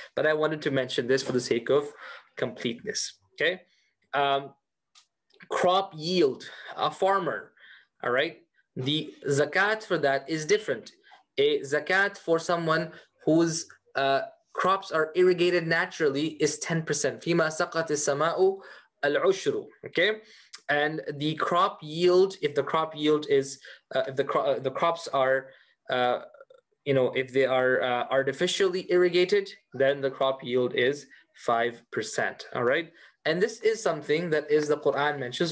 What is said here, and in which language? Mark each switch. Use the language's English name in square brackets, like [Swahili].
[English] But I wanted to mention this for the sake of completeness, okay? Crop yield, a farmer, all right? The zakat for that is different. A zakat for someone whose crops are irrigated naturally is 10%. [Arabic] فِي مَا سَقَتِ السَّمَاءُ الْعُشْرُ, okay? [English] And the crop yield, if the crop yield is, the crops are, you know, if they are artificially irrigated, then the crop yield is 5%. All right. And this is something that is the Quran mentions.